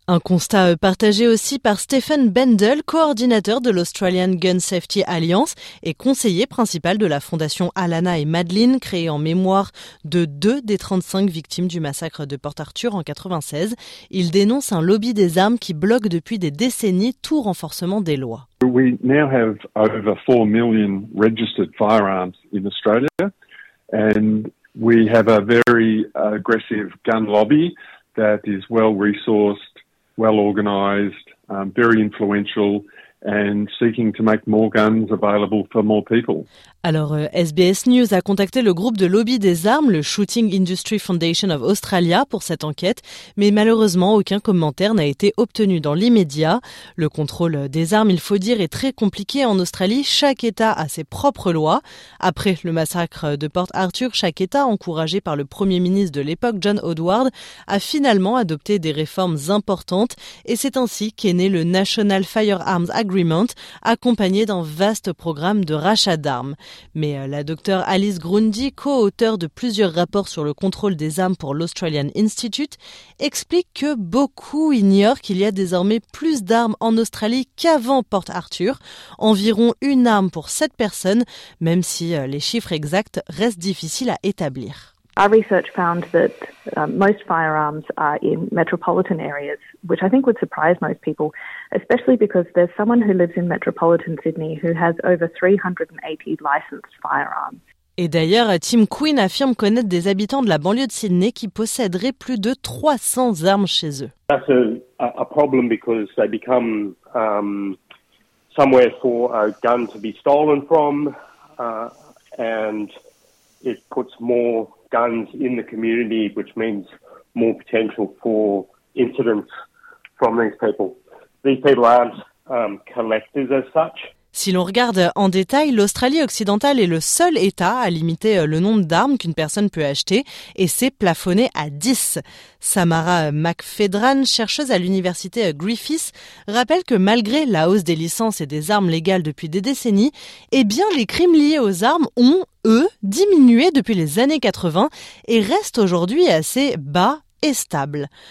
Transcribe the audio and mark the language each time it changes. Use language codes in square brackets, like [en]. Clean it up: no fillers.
[fr] Un constat partagé aussi par Stephen Bendel, coordinateur de l'Australian Gun Safety Alliance et conseiller principal de la fondation Alana et Madeline, créée en mémoire de deux des 35 victimes du massacre de Port Arthur en 96. Il dénonce un lobby des armes qui bloque depuis des décennies tout renforcement des lois. [en] We now have over 4 million registered firearms in Australia and we have a very aggressive gun lobby that is well-resourced, well-organized, very influential, and seeking to make more guns available for more people. [fr] Alors, SBS News a contacté le groupe de lobby des armes, le Shooting Industry Foundation of Australia, pour cette enquête, mais malheureusement, aucun commentaire n'a été obtenu dans l'immédiat. Le contrôle des armes, il faut dire, est très compliqué en Australie. Chaque État a ses propres lois. Après le massacre de Port Arthur, chaque État, encouragé par le Premier ministre de l'époque, John Howard, a finalement adopté des réformes importantes. Et c'est ainsi qu'est né le National Firearms Agreement, accompagné d'un vaste programme de rachat d'armes. Mais la docteure Alice Grundy, co-auteure de plusieurs rapports sur le contrôle des armes pour l'Australian Institute, explique que beaucoup ignorent qu'il y a désormais plus d'armes en Australie qu'avant Port Arthur, environ une arme pour 7 personnes, même si les chiffres exacts restent difficiles à établir. [en] Our research found that most firearms are in metropolitan areas, which I think would surprise most people, especially because there's someone who lives in metropolitan Sydney who has over 380 licensed firearms. [fr] Et d'ailleurs, Tim Quinn affirme connaître des habitants de la banlieue de Sydney qui posséderaient plus de 300 armes chez eux. [en] That's a problem because they become somewhere for a gun to be stolen from, and it puts more guns in the community, which means more potential for incidents from these people. These people aren't collectors as such. [fr] Si l'on regarde en détail, l'Australie occidentale est le seul État à limiter le nombre d'armes qu'une personne peut acheter et c'est plafonné à 10. Samara McFedran, chercheuse à l'université Griffith, rappelle que malgré la hausse des licences et des armes légales depuis des décennies, eh bien les crimes liés aux armes ont, eux, diminué depuis les années 80 et restent aujourd'hui assez bas et stable.